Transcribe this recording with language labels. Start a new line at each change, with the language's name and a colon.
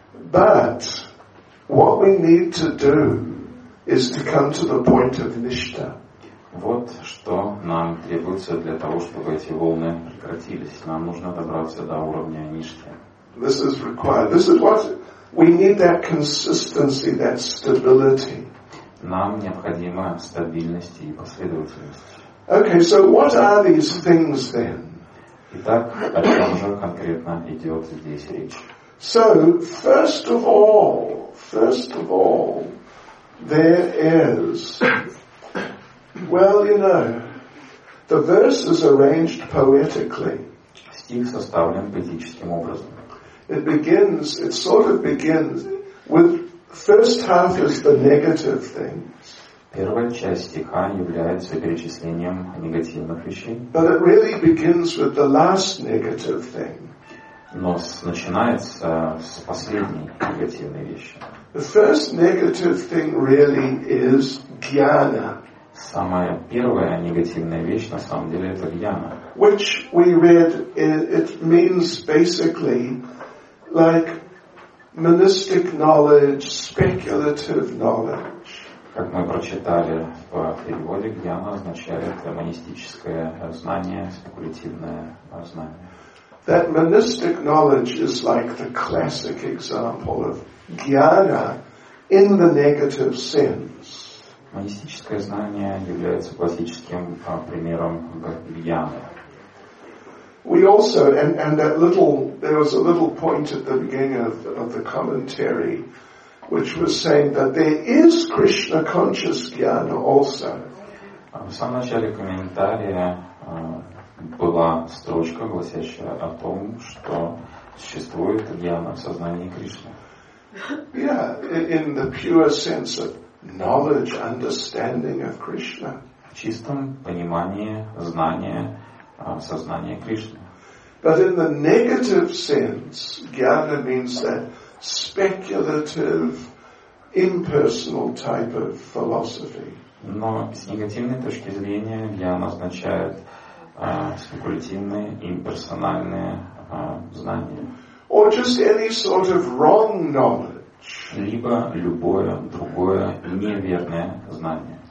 English: But what we need to do is to come to the point of nishta.
Russian: Вот что нам требуется для того, чтобы эти волны прекратились. Нам нужно добраться до уровня ништы.
English: This is required. This is what we need, that consistency, that stability.
Russian: Нам необходима стабильность и последовательность.
English: Okay, so what are these things then?
Russian: Итак, о чем же конкретно идет здесь речь?
English: So, first of all, there is, well, you know, the verse is arranged poetically.
Russian: Стих составлен поэтическим образом.
English: It sort of begins with first half is the negative thing.
Russian: Первая часть стиха является перечислением негативных вещей.
English: But it really begins with the last negative thing.
Russian: Но начинается с последней негативной вещи.
English: The first negative thing really is jnana.
Russian: Самая первая негативная вещь на самом деле это jnana.
English: Which we read, it means basically like monistic knowledge, speculative knowledge.
Russian: Как мы прочитали в переводе, jnana означает монистическое знание, спекулятивное знание.
English: That monistic knowledge is like the classic example of jnana in the negative sense.
Russian: Монистическое знание является классическим примером jnana.
English: We also, and that little, there was a little point at the beginning of the commentary which was saying that there is Krishna conscious jnana also.
Russian: В самом начале комментария была строчка, гласящая о том, что существует jnana в сознании Кришны.
English: Yeah, in the pure sense of knowledge, understanding of Krishna.
Russian: В чистом понимании знания сознания Кришны.
English: But in the negative sense, jnana means that speculative, impersonal type of philosophy.
Russian: Но с негативной точки зрения jnana означает спекулятивное, имперсональное знание.
English: Or just any sort of wrong knowledge.
Russian: Либо любое другое неверное знание.